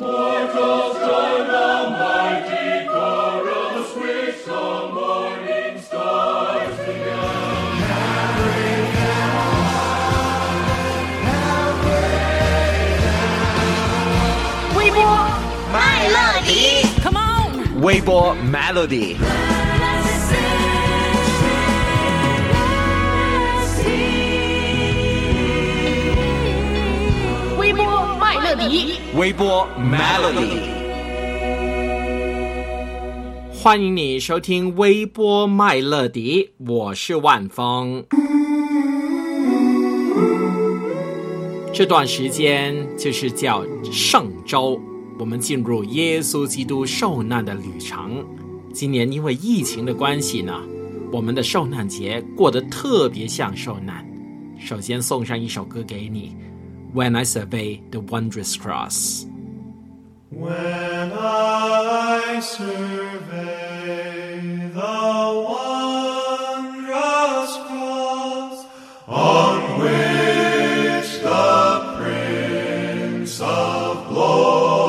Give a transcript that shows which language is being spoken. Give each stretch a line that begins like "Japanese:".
English: Lord, cast down the mighty chorus with the morning stars together. Now break down, now break down.
Chinese: 微博，麦乐迪。微博 Melody，微博麦乐迪，微博 Melody，欢迎你收听微博麦乐迪，我是万峰。这段时间就是叫圣周，我们进入耶稣基督受难的旅程。今年因为疫情的关系呢，我们的受难节过得特别像受难。首先送上一首歌给你， When I Survey the Wondrous Cross。
English: When I Survey the Wondrous Cross on which the Prince of Glory